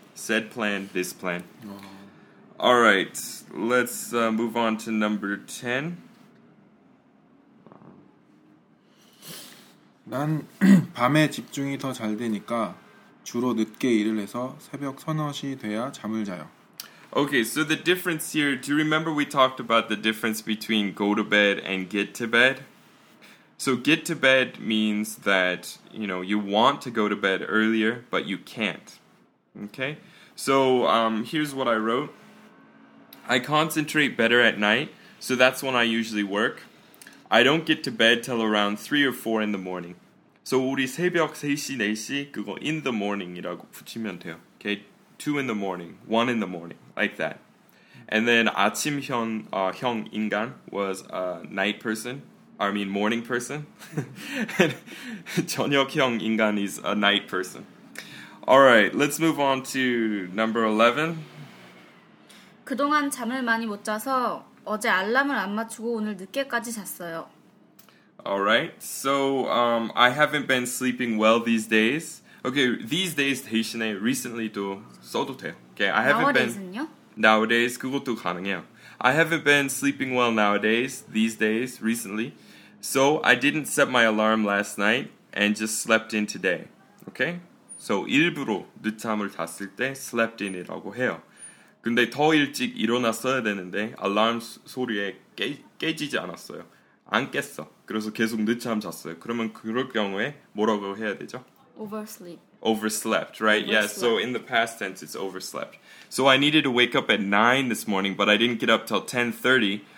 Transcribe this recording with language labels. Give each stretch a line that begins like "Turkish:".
English: Said plan, this plan. All right, let's move on to number 10.
Korean: 난 밤에 집중이 더 잘 되니까 주로 늦게 일을 해서 새벽 서너시 돼야 잠을 자요.
English: Okay, so the difference here, do you remember we talked about the difference between go to bed and get to bed? So get to bed means that, you know, you want to go to bed earlier, but you can't. Okay? So, here's what I wrote. I concentrate better at night, so that's when I usually work. I don't get to bed till around 3 or 4 in the morning.
Korean: So, 우리 새벽 3시, 4시, 그거
English: in the morning
Korean: 이라고 붙이면 돼요. Okay?
English: 2 in the morning, 1 in the morning, like that. And then
Korean: 아침 형, 형 인간
English: was a night person. I mean morning person. And
Korean: 저녁 형 인간
English: is a night person. Alright, let's move on to number 11. 그동안 잠을 많이 못 자서 어제 알람을 안 맞추고 오늘 늦게까지 잤어요. Alright, so I haven't been sleeping well these days. Okay, these days
Korean: 대신에
English: recently도
Korean: 써도 돼요.
English: Okay, I haven't
Korean: nowadays는요?
English: Been, nowadays,
Korean: 그것도 가능해요.
English: I haven't been sleeping well nowadays, these days, recently. So I didn't set my alarm last night and just slept in today. Okay?
Korean: So, 일부러 늦잠을 잤을 때
English: slept in
Korean: 이라고 해요. 근데 더 일찍 일어났어야 되는데 알람 소리에 깨지지 않았어요. 안 깼어. 그래서 계속 늦잠 잤어요. 그러면 그럴 경우에 뭐라고 해야 되죠?
English: Oversleep. Overslept, right? Overslept. Yeah, so in the past tense, it's overslept. So I needed to wake up at 9 this morning, but I didn't get up till 10:30.